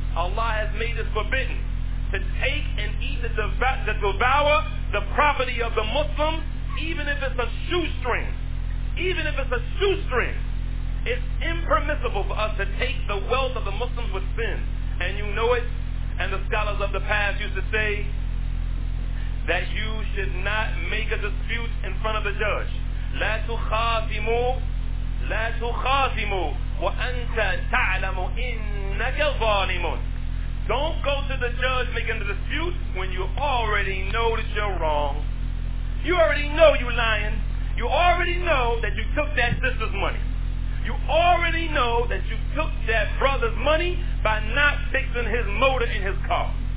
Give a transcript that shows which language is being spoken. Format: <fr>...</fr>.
<en>Allah has made it forbidden to take and eat to devour the property of the Muslim, even if it's a shoestring. Even if it's a shoestring. It's impermissible for us to take the wealth of the Muslims with sin. And you know it. And the scholars of the past used to say that you should not make a dispute in front of the judge.</en> <ar>لا تخاصموا لا تخاصموا وأنت تعلم إنك ظالم.</ar> <en>Don't go to the judge making the dispute when you already know that you're wrong. You already know you're lying. You already know that you took that sister's money. You already know that you took that brother's money by not fixing his motor in his car.</en>